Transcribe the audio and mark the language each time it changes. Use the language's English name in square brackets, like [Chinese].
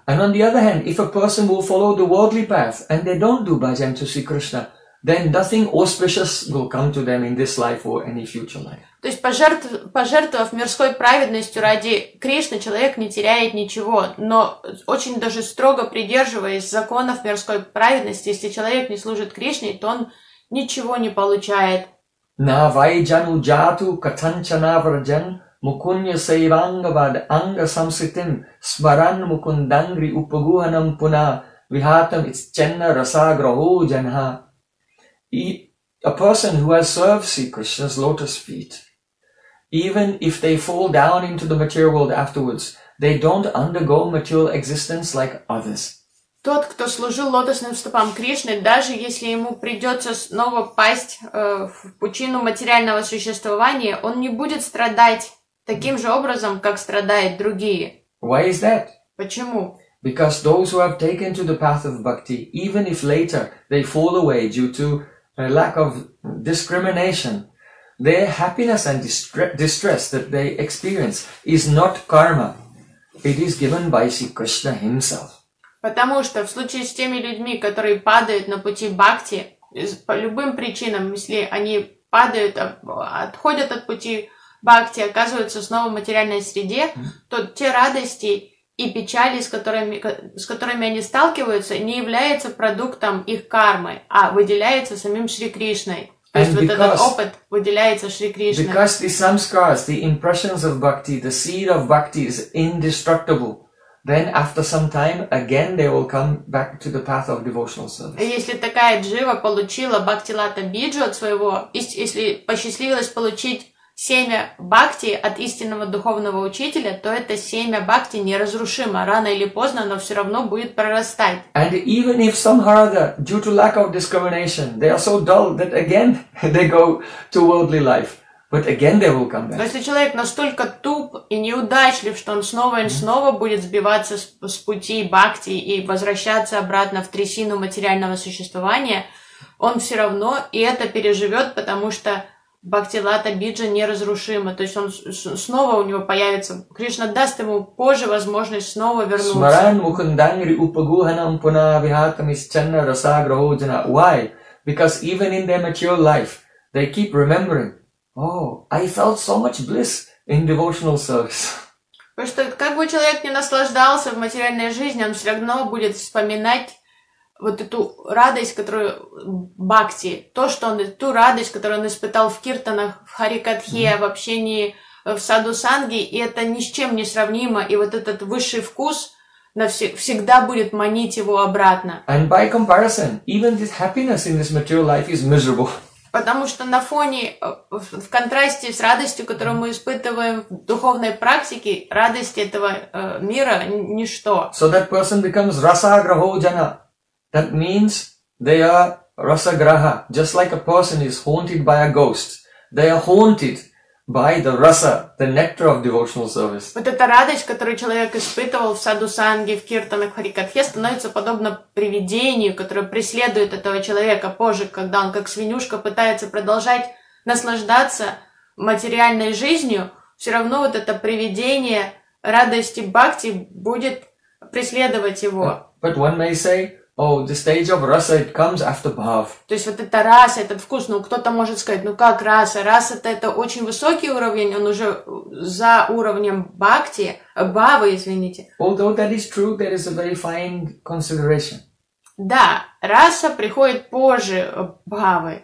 [English] And on the other hand, if a person will follow the worldly path and they don't do bhajan to see Krishna, then nothing auspicious will come to them in this life or any future life. [Russian] То есть пожертвовав мирской праведностью ради Кришны, человек не теряет ничего. Но очень даже строго придерживаясь законов мирской праведности, если человек не служит Кришне, то он ничего не получает. [Sanskrit] На вайджану джату катанчана враджан мукунья сайвангавад анга самситин сваран мукундангри упагуханам пуна вихатам иччанна расаграху джанха. [English] A person who has served Sri Krishna's lotus feet, even if they fall down into the material world afterwards, they don't undergo material existence like others. [Russian] Тот, кто служил лотосным стопам Кришны, даже если ему придется снова пасть в пучину материального существования, он не будет страдать таким же образом, как страдают другие. [English] Why is that? [Russian] Почему? [English] Because those who have taken to the path of bhakti, even if later they fall away due to a lack of discrimination, their happiness and distress that they experience is not karma. It is given by Sri Krishna himself. [Russian] Потому что в случае с теми людьми, которые падают на пути бхакти, по любым причинам, если они падают, отходят от пути бхакти, оказываются снова в материальной среде, то те радости и печали, с которыми они сталкиваются, не является продуктом их кармы, а выделяется самим Шри Кришной. То есть [English] and [Russian] вот этот опыт выделяется Шри Кришной. [English] Because the samskaras, the impressions of bhakti, the seed of bhakti is indestructible. Then after some time, again they will come back to the path of devotional service. [Russian] Если такая джива получила бхактилата биджу от своего, если посчастливилось получить семя бхакти от истинного духовного учителя, то это семя бхакти неразрушимо. Рано или поздно оно все равно будет прорастать. [English] And even if some harada, due to lack of discrimination, they are so dull that again they go to worldly life. But again they will come back. [Russian] Но если человек настолько туп и неудачлив, что он снова и снова будет сбиваться с пути бхакти и возвращаться обратно в трясину материального существования, он все равно и это переживет, потому что бхактилата биджа неразрушима, то есть он снова у него появится. Кришна даст ему позже возможность снова вернуться. [Sanskrit] Смаран мухандангри упагуханам пуна вихатам исчанна раса граходжана. [English] Why? Because even in their mature life, they keep remembering, oh, I felt so much bliss in devotional service. [Russian] Потому что как бы человек ни наслаждался в материальной жизни, он все равно будет вспоминать вот эту радость, которую бхакти, то, что он, ту радость, которую он испытал в киртанах, в харикатхе, в общении, в саду санги, и это ни с чем не сравнимо, и вот этот высший вкус всегда будет манить его обратно. [English] And by comparison, even this happiness in this material life is miserable. [Russian] Потому что на фоне, в контрасте с радостью, которую мы испытываем в духовной практике, радость этого мира – ничто. [English] So that person becomes rasa-agraho jana. That means they are rasa-graha, just like a person is haunted by a ghost. They are haunted by the rasa, the nectar of devotional service. [Russian] Вот эта радость, которую человек испытывал в саду санги, в киртанах, в харикатхе, становится подобно привидению, которое преследует этого человека позже, когда он как свинюшка пытается продолжать наслаждаться материальной жизнью, все равно вот это привидение радости бхакти будет преследовать его. [English] But one may say, oh, the stage of rasa, it comes after bhav. [Russian] То есть вот это раса, этот вкус, ну кто-то может сказать, ну как раса? Раса это очень высокий уровень, он уже за уровнем бхакти, бхавы, извините. [English] Although that is true, there is a very fine consideration. [Russian] Да, раса приходит позже бхавы.